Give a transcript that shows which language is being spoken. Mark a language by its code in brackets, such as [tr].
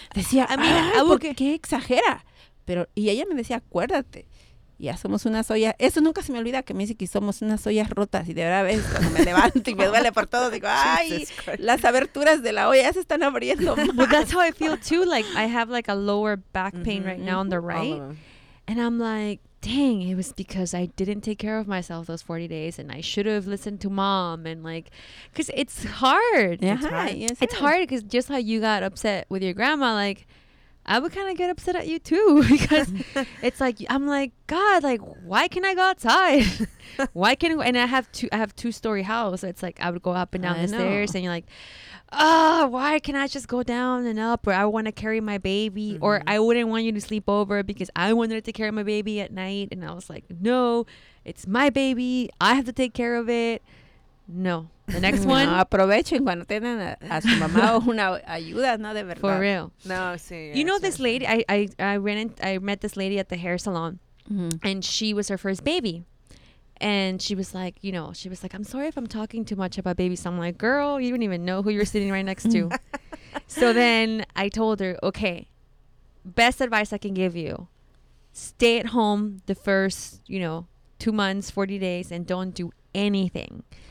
[es] Decía, ¿por qué exagera? Pero, y ella me decía, acuérdate, ya somos unas ollas. Eso nunca se me olvida, que me dice que somos unas ollas rotas. Y de verdad, ves, cuando me levanto y me duele por todo, digo, ay, las aberturas de la olla ya se están abriendo. [en] Well, that's how I feel too. Like, I have like a lower back pain right now on the right. And I'm like, dang, it was because I didn't take care of myself those 40 days and I should have listened to mom and like, because it's hard. Yeah, it's hard. It's hard because just how you got upset with your grandma, like, I would kind of get upset at you too because it's like, I'm like, God, like, why can't I go outside? Why can't, and I have two-story house. So it's like, I would go up and down the stairs and you're like, oh, why can't I just go down and up? Or I want to carry my baby, or I wouldn't want you to sleep over because I wanted to carry my baby at night. And I was like, no, it's my baby. I have to take care of it. No. The next one. No, [es] aprovechen cuando tienen a su mamá una ayuda, no, de verdad. [en] For real. [es] No, sí. [en] You know, this lady, I met this lady at the hair salon, and she was her first baby. And she was like, you know, she was like, I'm sorry if I'm talking too much about babies. So I'm like, girl, you don't even know who you're sitting right next to. So then I told her, okay, best advice I can give you, stay at home the first, you know, 2 months, 40 days, and don't do anything.